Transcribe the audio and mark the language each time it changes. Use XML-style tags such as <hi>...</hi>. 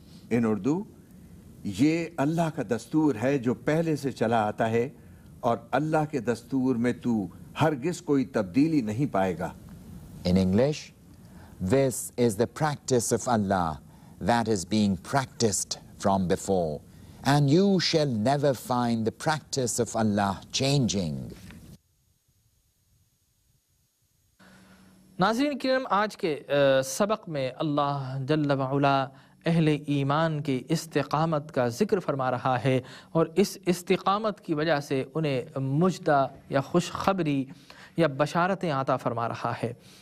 <en>in Urdu,</en> <ur>یہ اللہ کا دستور ہے جو پہلے سے چلا آتا ہے، اور اللہ کے دستور میں تو ہرگز کوئی تبدیلی نہیں پائے گا.</ur> <en>In English, this is the practice of Allah that is being practiced from before, and you shall never find the practice of Allah changing.</en> <ur>ناظرین کرام، آج کے سبق میں اللہ جل وعلا اہل ایمان کے استقامت کا ذکر فرما رہا ہے، اور اس استقامت کی وجہ سے انہیں مجدہ یا خوشخبری یا بشارتیں عطا فرما رہا ہے،</ur>